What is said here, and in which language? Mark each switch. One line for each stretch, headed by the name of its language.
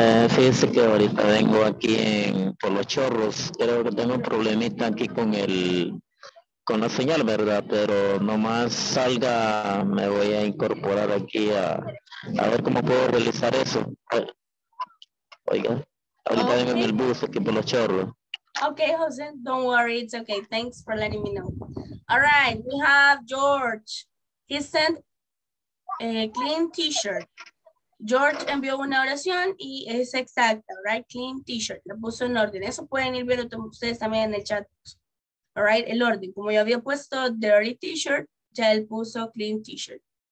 Spanish: Fíjese que ahorita vengo aquí por los chorros. Creo que tengo un problemita aquí con la señal, ¿verdad? Pero nomás salga, me voy a incorporar aquí a ver cómo puedo realizar eso. Oiga, ahorita okay. Vengo en el bus aquí por los chorros.
English: Okay, Jose, don't worry, it's okay. Thanks for letting me know. All right, we have George. He sent clean t-shirt.
Spanish: George envió una oración y es exacta, right?
English: Clean t-shirt,
Spanish: lo puso en orden. Eso pueden ir viendo ustedes también en el chat, right? El orden, como yo había puesto
English: dirty t-shirt,
Spanish: ya él puso
English: clean t-shirt.